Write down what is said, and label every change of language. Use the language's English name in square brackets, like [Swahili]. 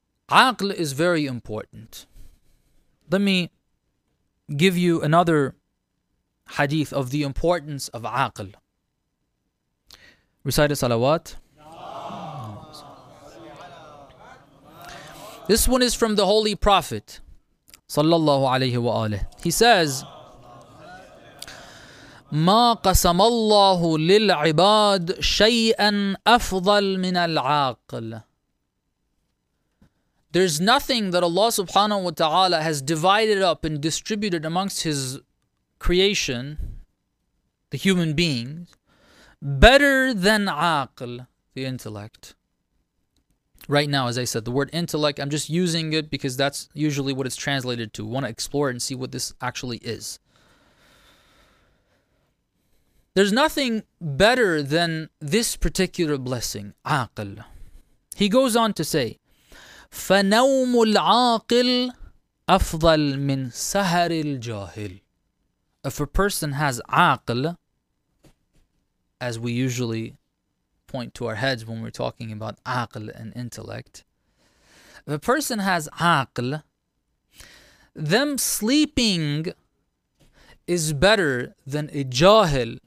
[English] Aql is very important. Let me give you another hadith of the importance of Aql. Recite a salawat. This one is from the Holy Prophet, sallallahu alayhi wa alayhi. He says, [Arabic] ما قسم الله للعباد شيئا أفضل من العاقل. [English] There's nothing that Allah subhanahu wa ta'ala has divided up and distributed amongst His creation, the human beings, better than عاقل, the intellect. Right now, as I said, the word intellect, I'm just using it because that's usually what it's translated to. I want to explore and see what this actually is. There's nothing better than this particular blessing, عاقل. He goes on to say, [Arabic] فنوم العاقل أفضل من سهر الجاهل. [English] If a person has عاقل, as we usually point to our heads when we're talking about عاقل and intellect, if a person has عاقل, them sleeping is better than a jahil.